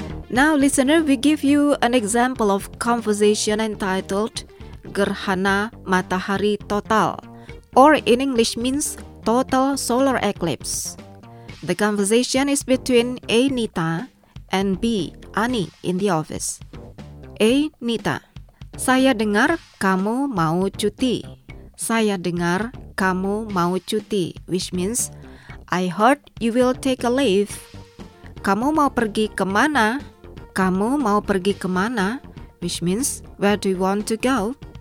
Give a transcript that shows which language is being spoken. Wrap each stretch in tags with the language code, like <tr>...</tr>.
<en>Now, listener, we give you an example of conversation entitled Gerhana Matahari Total, or in English means Total Solar Eclipse. The conversation is between A. Nita and B. Ani in the office. A.</en> <id>Nita, saya dengar kamu mau cuti. Saya dengar kamu mau cuti,</id> <en>which means I heard you will take a leave.</en> <id>Kamu mau pergi kemana? Kamu mau pergi kemana?</id> <en>Which means, where do you want to go?</en>